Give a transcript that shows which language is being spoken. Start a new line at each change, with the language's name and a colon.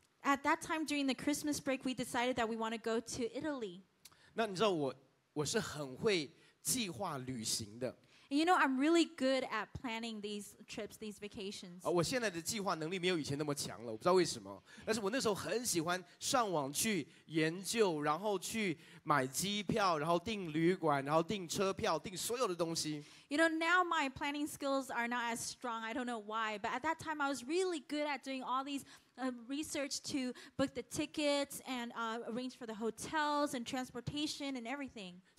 English: At that time during the Christmas break, we decided that we want to go to Italy.
Chinese: 那你知道我是很会计划旅行的。
English: You know, I'm really good at planning these trips, these vacations.
Chinese: 我现在的计划能力没有以前那么强了，我不知道为什么。但是我那时候很喜欢上网去研究，然后去买机票，然后订旅馆，然后订车票，订所有的东西。
English: You know, now my planning skills are not as strong. I don't know why, but at that time I was really good at doing all these research to book the tickets and arrange for the hotels and transportation and everything.